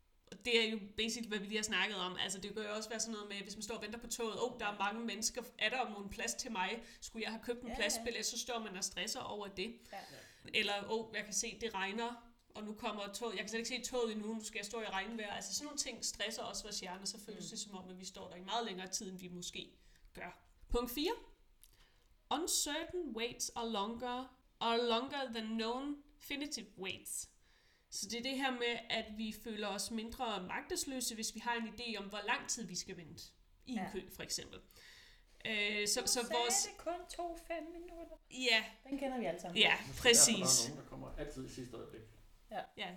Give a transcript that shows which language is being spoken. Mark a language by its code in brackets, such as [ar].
[da] Og det er jo basically, hvad vi lige har snakket om. Altså det kan jo også være sådan noget med, hvis man står og venter på toget, der er mange mennesker, er der om en plads til mig, skulle jeg have købt en pladsbillet, så står man og stresser over det. Ja. Eller, jeg kan se, det regner. Og nu kommer toget. Jeg kan slet ikke se toget endnu, nu skal jeg stå i regnvejr. Altså sådan nogle ting stresser også vores hjerne, så føles det som om, at vi står der i meget længere tid, end vi måske gør. Punkt 4. [en] Uncertain waits are longer than known definitive waits. [da] Så det er det her med, at vi føler os mindre magtesløse, hvis vi har en idé om, hvor lang tid vi skal vente i en kø, for eksempel. Så vores... Så er det kun 2-5 minutter. Ja. Den kender vi alle sammen. Ja, præcis. Der er nogen, der kommer altid i sidste øjeblik. Ja,